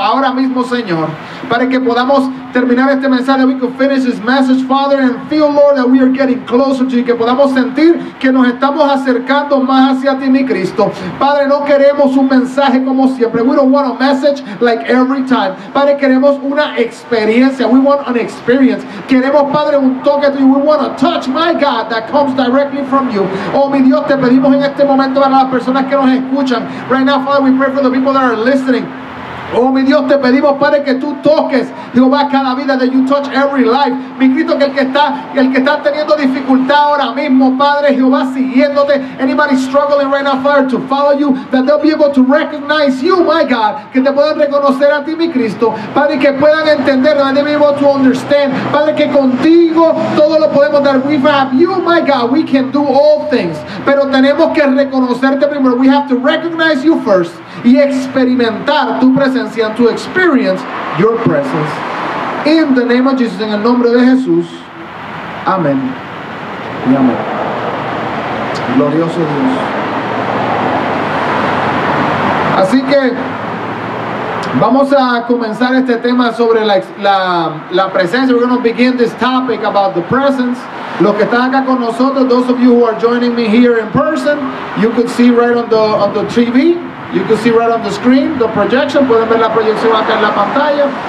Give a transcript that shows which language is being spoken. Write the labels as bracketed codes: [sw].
[es] Ahora mismo, Señor. Para que podamos terminar este mensaje, [en] we can finish this message, Father, and feel, Lord, that we are getting closer to you. [es] Que podamos sentir que nos estamos acercando más hacia ti, mi Cristo. Padre, no queremos un mensaje como siempre. [en] We don't want a message like every time. [es] Padre, queremos una experiencia. [en] We want an experience. [es] Queremos, Padre, un toque tuyo. [en] We want a touch, my God, that comes directly from you. [es] Oh, mi Dios, te pedimos en este momento para las personas que nos escuchan. [en] Right now, Father, we pray for the people that are listening. [es] Oh, mi Dios, te pedimos, Padre, que tú toques, Jehová, cada vida, [en] that you touch every life. [es] Mi Cristo, que el que está teniendo dificultad ahora mismo, Padre, Jehová, siguiéndote, [en] anybody struggling right now, Father, to follow you, that they'll be able to recognize you, my God, [es] que te puedan reconocer a ti, mi Cristo, Padre, que puedan entender, [en] that they'll be able to understand, [es] Padre, que contigo todo lo podemos dar. [en] We have you, my God, we can do all things, [es] pero tenemos que reconocerte primero. [en] We have to recognize you first [es] y experimentar tu presencia, [en] to experience your presence. In the name of Jesus, [es] en el nombre de Jesús. Amén. Y amén. Glorioso Dios. Así que vamos a comenzar este tema sobre la presencia. [en] We're going to begin this topic about the presence. [es] Los que están acá con nosotros, [en] those of you who are joining me here in person, you could see right on the TV. You can see right on the screen, the projection. [es] Pueden ver la proyección acá en la pantalla.